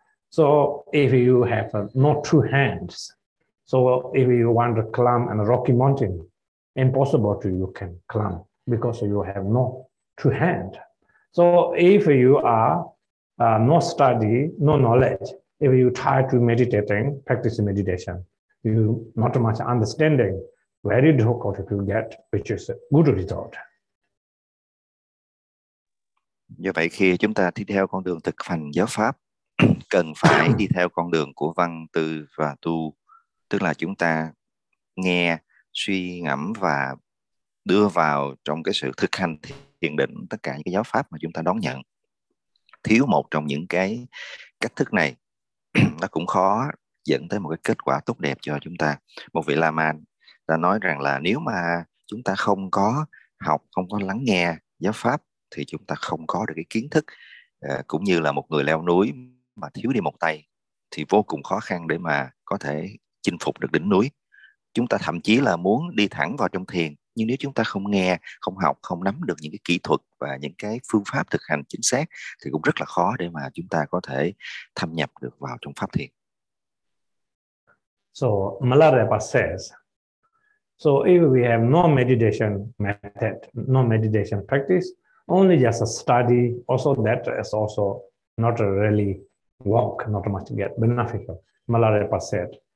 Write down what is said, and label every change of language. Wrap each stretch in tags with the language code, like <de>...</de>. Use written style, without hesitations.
<en>So if you have no two hands, so if you want to climb a rocky mountain, impossible to you can climb because you have no two hand. So if you are no study, no knowledge, if you try to meditating, practice meditation, you not much understanding, very difficult to get, which is a good result.</en> <vi>Do vậy khi chúng ta đi theo con đường thực hành giáo pháp, cần phải đi theo con đường của văn, tư và tu, tức là chúng ta nghe, suy ngẫm và đưa vào trong cái sự thực hành thiền định tất cả những cái giáo pháp mà chúng ta đón nhận. Thiếu một trong những cái cách thức này, nó cũng khó dẫn tới một cái kết quả tốt đẹp cho chúng ta. Một vị Lama đã nói rằng là nếu mà chúng ta không có học, không có lắng nghe giáo pháp, thì chúng ta không có được cái kiến thức, cũng như là một người leo núi mà thiếu đi một tay thì vô cùng khó khăn để mà có thể chinh phục được đỉnh núi. Chúng ta thậm chí là muốn đi thẳng vào trong thiền, Nhưng nếu chúng ta không nghe, không học, không nắm được những cái kỹ thuật và những cái phương pháp thực hành chính xác thì cũng rất là khó để mà chúng ta có thể thâm nhập được vào trong pháp thiền.</vi> <en>So Malarepa says, so if we have no meditation method, no meditation practice, only just a study, also that is also not really work, not much get beneficial, Malarepa said.</en>